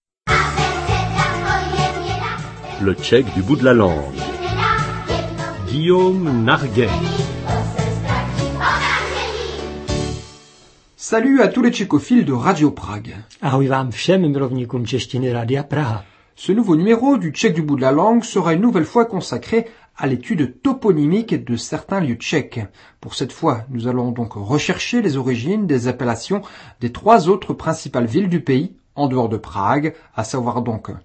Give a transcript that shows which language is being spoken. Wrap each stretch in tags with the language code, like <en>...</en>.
<fr>Le tchèque du bout de la langue. Guillaume Narguet. Salut à tous les tchécophiles de Radio Prague.</fr> <cs>Ahoj vám všem milovníkům češtiny Radia Praha.</cs> <fr>Ce nouveau numéro du tchèque du bout de la langue sera une nouvelle fois consacré à l'étude toponymique de certains lieux tchèques. Pour cette fois, nous allons donc rechercher les origines des appellations des trois autres principales villes du pays, en dehors de Prague, à savoir donc</fr>